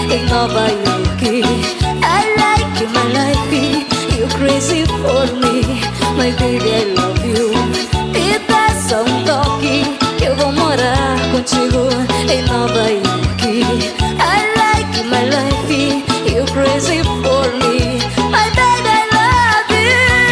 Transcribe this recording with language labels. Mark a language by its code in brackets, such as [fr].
[en] Nova York, I like my life, you're crazy for me, my baby, I love you. [pt] Me dá só toque, que eu vou morar contigo em Nova York. [en] I like my life, you're crazy for me, my baby, I love you.